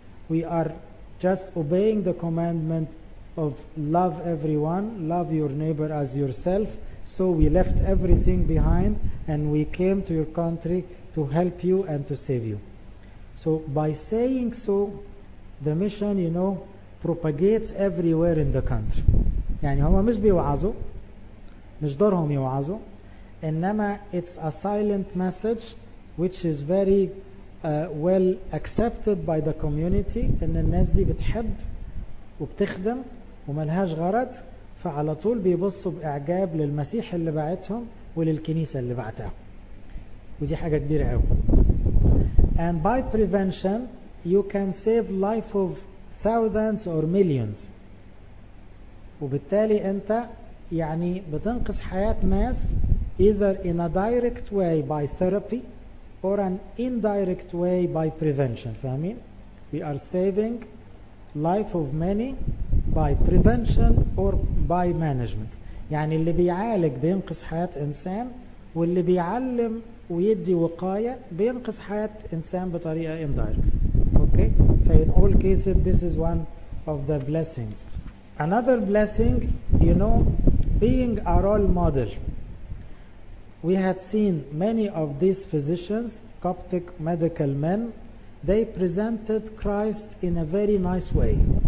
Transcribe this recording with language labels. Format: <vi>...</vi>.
<en>We are just obeying the commandment of love everyone, love your neighbor as yourself. So we left everything behind and we came to your country to help you and to save you. So by saying so, the mission, you know, propagates everywhere in the country.</en> <ar>يعني هما مش بيوعظوا، مش دورهم يوعظوا، إنما</ar> <en>it's a silent message which is very well accepted by the community,</en> <ar>ان الناس دي بتحب وبتخدم وملهاش غرض, فعلى طول بيبصوا باعجاب للمسيح اللي بعتهم وللكنيسه اللي بعتها, ودي حاجه كبيره قوي.</ar> <en>And by prevention you can save life of thousands or millions,</en> <ar>وبالتالي انت يعني بتنقذ حياه ناس,</ar> <en>either in a direct way by therapy or an indirect way by prevention.</en> <ar>فاهمين؟</ar> <en>We are saving life of many by prevention or by management.</en> <ar>يعني اللي بيعالج بينقذ حياة إنسان, واللي بيعلم ويدي وقاية بينقذ حياة إنسان بطريقة indirect.</ar> <en>Okay? So in all cases this is one of the blessings. Another blessing, you know, being a role model. We had seen many of these physicians, Coptic medical men, they presented Christ in a very nice way.</en>